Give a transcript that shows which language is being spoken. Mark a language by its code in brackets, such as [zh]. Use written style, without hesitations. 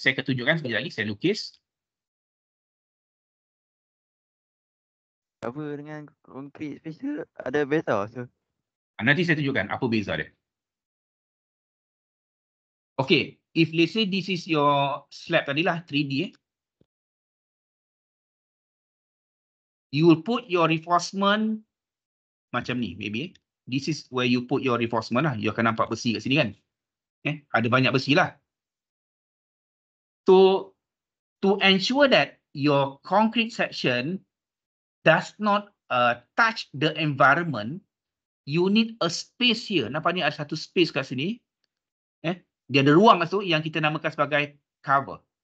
[ms] Saya akan tunjukkan sekali lagi, saya lukis. Apa dengan concrete spacer ada beza so? Nanti saya tunjukkan apa beza dia. [en] Okay, if let's say this is your slab tadilah 3D You will put your reinforcement [ms] macam ni, [en] maybe This is where you put your reinforcement lah. [ms] You akan nampak besi kat sini kan? Ada banyak besi lah. [en] To ensure that your concrete section does not touch the environment, you need a space here. [ms] Nampak ni ada satu space kat sini. Dia ada ruang kat situ yang kita namakan sebagai cover.